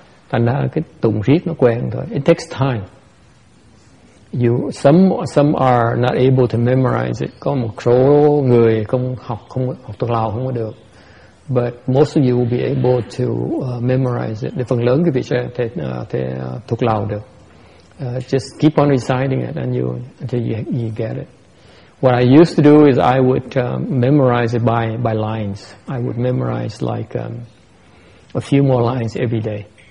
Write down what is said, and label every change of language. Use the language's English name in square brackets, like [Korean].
[Vietnamese] Thành ra cái tụng riết nó quen thôi. [English] It takes time. Some are not able to memorize it. [Vietnamese] Có một số người không học thuộc lòng không có được. [English] But most of you will be able to memorize it. [Vietnamese] Phần lớn quý vị sẽ thể thuộc lòng được. [English] Just keep on reciting it until you get it. What I used to do is I would memorize it by lines. I would memorize like a few more lines every day.